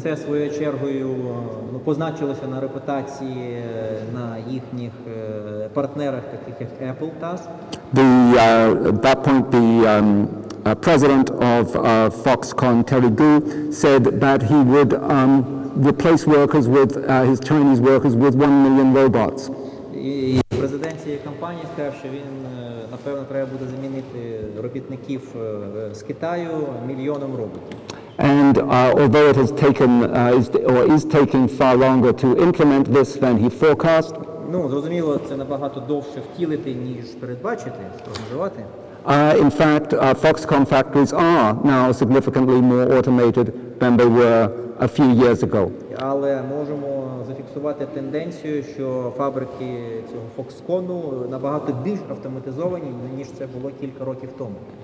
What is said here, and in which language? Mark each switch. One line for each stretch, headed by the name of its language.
Ukrainian: Це своєю чергою позначилося на репутації на їхніх партнерах, таких як Apple TAS.
English: President of Foxconn, Terry Gou, said that he would replace workers with his Chinese workers with 1 million robots.
Ukrainian: Президент цієї компанії сказав, що він напевно треба буде замінити робітників з Китаю мільйоном роботів.
English: And although it has taken is taking far longer to implement this than he forecast.
Ukrainian: Ну, зрозуміло, це набагато довше втілити, ніж передбачити, спрогнозувати.
English: In fact, Foxconn factories are now significantly more automated than they were a few years ago.
Ukrainian: Але можемо зафіксувати тенденцію, що фабрики цього Foxconn набагато більш автоматизовані, ніж це було кілька років тому.